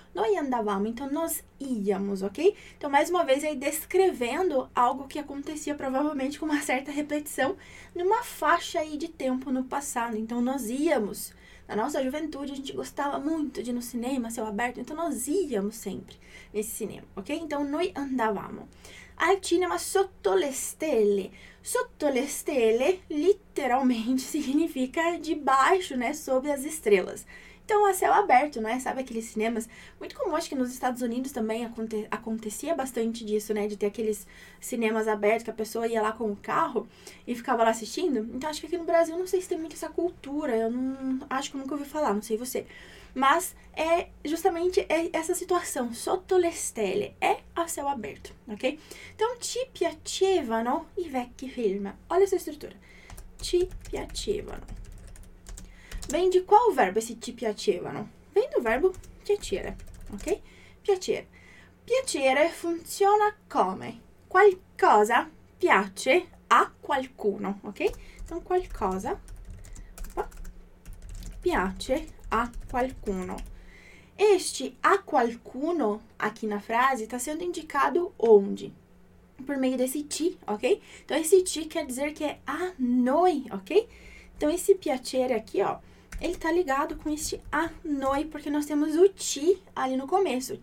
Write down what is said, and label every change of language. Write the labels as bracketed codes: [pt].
[it] Noi andavamo, [pt] então nós íamos, ok? Então, mais uma vez, aí descrevendo algo que acontecia provavelmente com uma certa repetição numa faixa aí de tempo no passado. Então, nós íamos, Na nossa juventude, a gente gostava muito de ir no cinema, céu aberto, então nós íamos sempre nesse cinema, ok? [it] Então, noi andavamo al cinema sotto le stelle. Sotto le stelle, [pt] literalmente, significa debaixo, né? Sob as estrelas. Então, a céu aberto, né? Sabe aqueles cinemas? Muito comum, acho que nos Estados Unidos também acontecia bastante disso, né? De ter aqueles cinemas abertos que a pessoa ia lá com o carro e ficava lá assistindo. Então, acho que aqui no Brasil, não sei se tem muito essa cultura. Eu não, acho que nunca ouvi falar, não sei você. Mas é justamente essa situação. [it] Sotto le stelle. [pt] É a céu aberto, ok? [it] Então, ci piacevano i vecchi film. [pt] Olha essa estrutura. [it] Ci piacevano. [pt] Vem de qual verbo esse ti piacevano? Vem do verbo piacere, ok? Piacere. [it] Piacere funziona come? Qualcosa piace a qualcuno, ok? Então, qualcosa piace a qualcuno. [pt] Este a qualcuno aqui na frase está sendo indicado onde? Por meio desse ti, ok? Então, esse ti quer dizer que é a noi, ok? Então, esse piacere aqui, ó. Ele tá ligado com este a noi, porque nós temos o ti ali no começo.